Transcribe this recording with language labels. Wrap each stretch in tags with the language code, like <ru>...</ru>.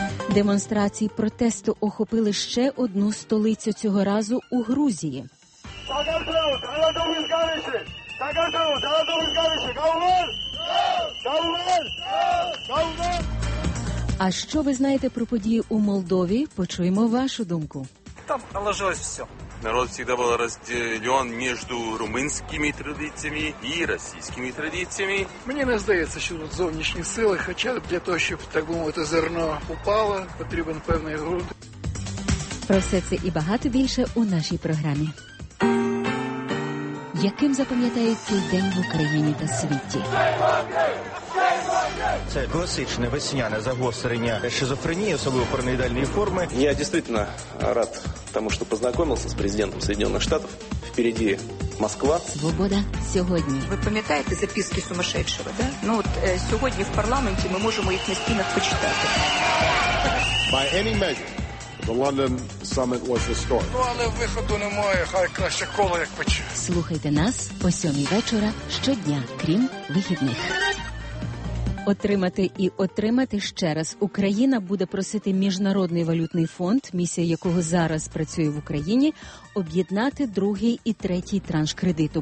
<uk>Демонстрації протесту охопили ще одну столицю цього разу у Грузії. А що ви знаєте про події у Молдові? Почуємо вашу думку.</uk> <ru>Там наложилось все. Народ всегда был разделен между румынскими традициями и российскими традициями.</ru> <uk>Мне не здається, що тут зовнішні сили, хоча для того, щоб так би мовити, зерно упало, потрібен певний ґрунт. Про все це і багато більше у нашій програмі. Яким запам'ятається день в Україні та світі? Це класичне весняне загострення шизофренії, особливо параноїдальної форми. Я дійсно рад тому, що познайомився з президентом Сполучених Штатів. Впереді Москва. Свобода сьогодні. Ви пам'ятаєте записки сумасшедшого, да? Ну от сьогодні в парламенті ми можемо їх на стінах почитати.</uk> <en>By any measure, the London summit was historic.</en> <uk>Ну, але виходу немає, хай краще коло, як пече. Слухайте нас о 7 вечора щодня, крім вихідних. Отримати і отримати ще раз. Україна буде просити Міжнародний валютний фонд, місія якого зараз працює в Україні, об'єднати другий і третій транш кредиту.</uk>